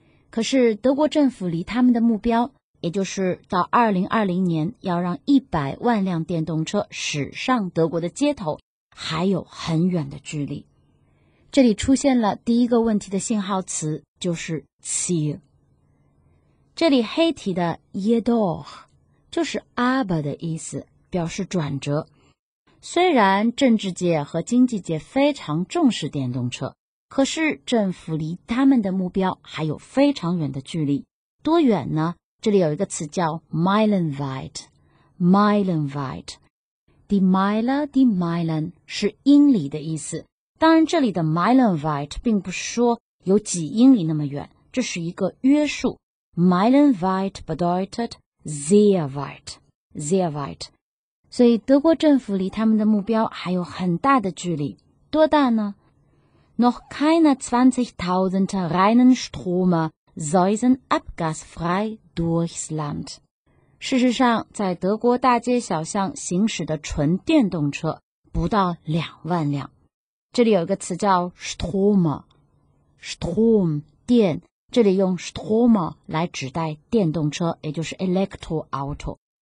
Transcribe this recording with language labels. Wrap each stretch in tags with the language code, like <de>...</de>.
<zh>可是德国政府离他们的目标，也就是到2020年要让100万辆电动车驶上德国的街头，还有很远的距离。这里出现了第一个问题的信号词，就是 Ziel。这里黑体的 jedoch 就是 aber 的意思，表示转折。虽然政治界和经济界非常重视电动车，可是政府离他们的目标还有非常远的距离。多远呢？这里有一个词叫 meilenweit。 meilenweit， die Meile， die Meilen 是英里的意思。当然这里的 meilenweit 并不是说有几英里那么远，这是一个约束。</zh> <de>meilenweit bedeutet sehr weit， sehr weit。</de> <zh>所以德国政府离他们的目标还有很大的距离。多大呢？</zh> <de>Noch keine 20.000 reinen Strome säusen abgasfrei durchs Land。</de> <zh>事实上在德国大街小巷行驶的纯电动车不到20,000辆。这里有一个词叫 Strom 电，这里用 Strom 来指代电动车，也就是 Elektroauto。</zh>